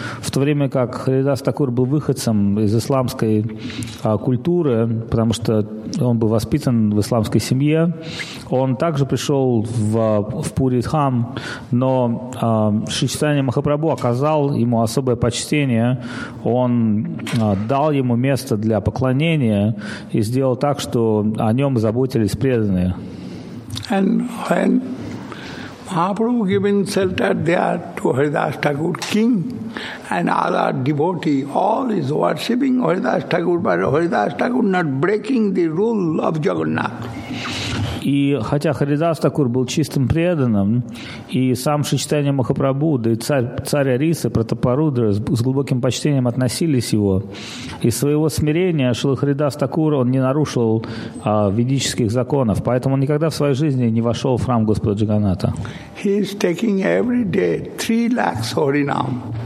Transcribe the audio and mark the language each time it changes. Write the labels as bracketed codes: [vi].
[ru] В то время как Харидас Такур был выходцем из исламской культуры, потому что он был воспитан в исламской семье, он также пришел в Пури-дхам, но Шри Чайтанья Махапрабху оказал ему особое почтение, он дал ему место для поклонения и сделал так, что о нем заботились преданные. [en] And when Mahaprabhu given shelter there to Haridas Thakur, king and other devotee, all is worshipping Haridas Thakur, but Haridas Thakur not breaking the rule of Jagannath. [ru] И хотя Харидас Такур был чистым преданным, и сам Шри Чайтанья Махапрабху, да и царь Арисы, Пратапарудра с глубоким почтением относились его, из своего смирения Шрила Харидас Такур он не нарушил ведических законов, поэтому он никогда в своей жизни не вошел в храм Господа Джаганната. [en] He is taking every day 3 lakhs harinam.